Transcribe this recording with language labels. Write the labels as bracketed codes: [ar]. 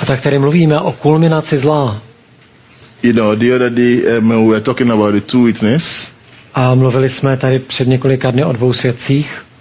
[cs] A tak tady mluvíme o kulminaci zla. [en] You know, the other day we were talking about the two witnesses. [cs] A mluvili jsme tady před několika dny o dvou svědcích.